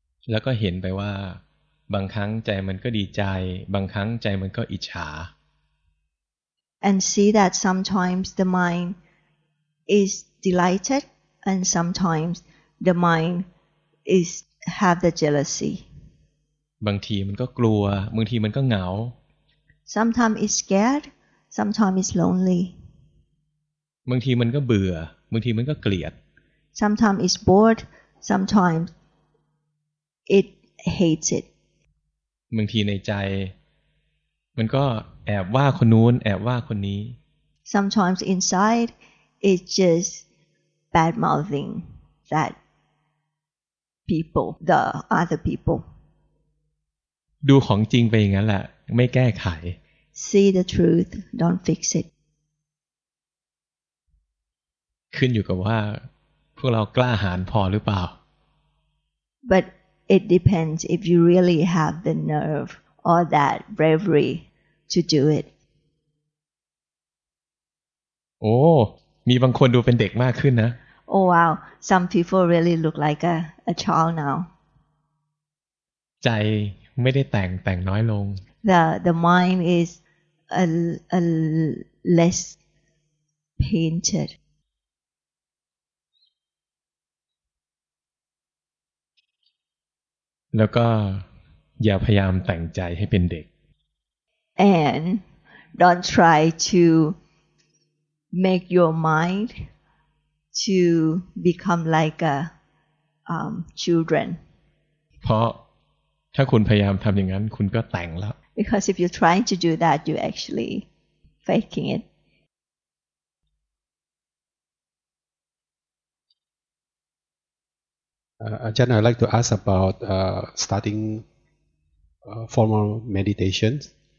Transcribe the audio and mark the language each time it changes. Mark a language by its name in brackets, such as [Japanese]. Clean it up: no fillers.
[Thai] แล้วก็เห็นไปว่าบางครั้งใจมันก็ดีใจบางครั้งใจมันก็อิจฉา [English] And see that sometimes the mind is delighted, and sometimes the mind is have the jealousy. [Thai] บางทีมันก็กลัวบางทีมันก็เหงา [English] Sometimes it's scared, sometimes it's lonely. [Thai] บางทีมันก็เบื่อบางทีมันก็เกลียด [English] Sometimes it's bored, sometimes it hates it. [Thai] บางทีในใจมันก็แอบว่าคนนู้นแอบว่าคนนี้ [English] Sometimes inside it's just bad mouthing that people the other people [Thai] ดูของจริงไปอย่างนั้นแหละไม่แก้ไข [English] See the truth don't fix it [Thai] ขึ้นอยู่กับว่าพวกเรากล้าหาญพอหรือเปล่า [English] But it depends if you really have the nerve or that braveryTo do it. [Thai] Oh, มีบางคนดูเป็นเด็กมากขึ้นนะ [English] Oh wow, some people really look like a child now. [Thai] ใจไม่ได้แต่งน้อยลง [English] the mind is a less painted. [Thai] แล้วก็อย่าพยายามแต่งใจให้เป็นเด็ก [English] and don't try to make your mind to become like a children [Thai] เพราะถ้าคุณพยายามทำอย่างนั้นคุณก็แต่งแล้ว [English] because if you're trying to do that you're actually faking it Ajahn, I'd like to ask about starting formal meditations.